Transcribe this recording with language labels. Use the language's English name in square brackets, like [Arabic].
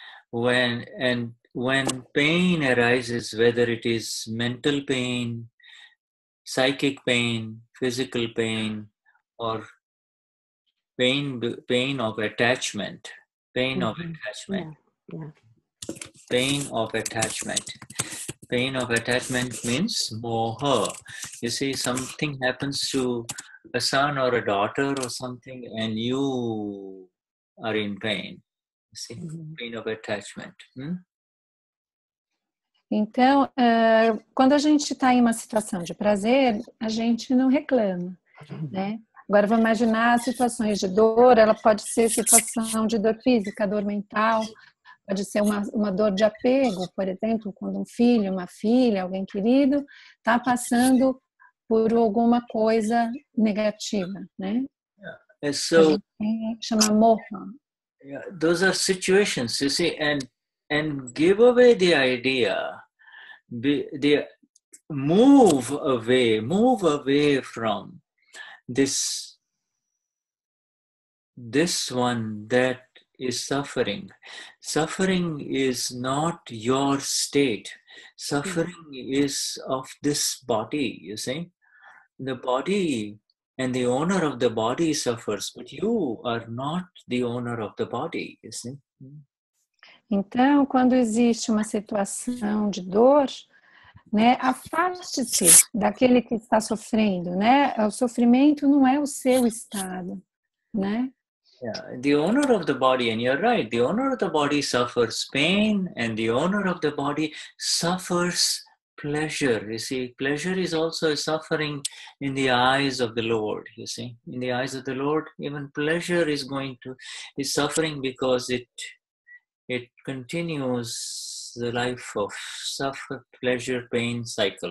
[English] When pain arises, whether it is mental pain, psychic pain, physical pain, or pain of attachment, pain of attachment, pain of attachment. Pain of attachment means moha. You see, something happens to a son or a daughter or something, and you are in pain. Pain of attachment. [Portuguese] Então, quando a gente está em uma situação de prazer, a gente não reclama, né? Agora, vamos imaginar situações de dor, ela pode ser situação de dor física, dor mental, pode ser uma dor de apego, por exemplo, quando um filho, uma filha, alguém querido está passando por alguma coisa negativa, né? [English] Yeah. So, [Portuguese] a gente chama morra. [English] Yeah, those are situations, you see, and give away the idea, move away from this one that is suffering. Suffering is not your state. Suffering is of this body, you see. The body and the owner of the body suffers, but you are not the owner of the body, you see. [Portuguese] Então, quando existe uma situação de dor, né, afaste-se daquele que está sofrendo, né? O sofrimento não é o seu estado, né? [English] Yeah, the owner of the body, and you're right, the owner of the body suffers pain, and the owner of the body suffers pleasure. You see, pleasure is also a suffering in the eyes of the Lord, you see. In the eyes of the Lord, even pleasure is going to, is suffering because it continues the life of suffer, pleasure, pain cycle.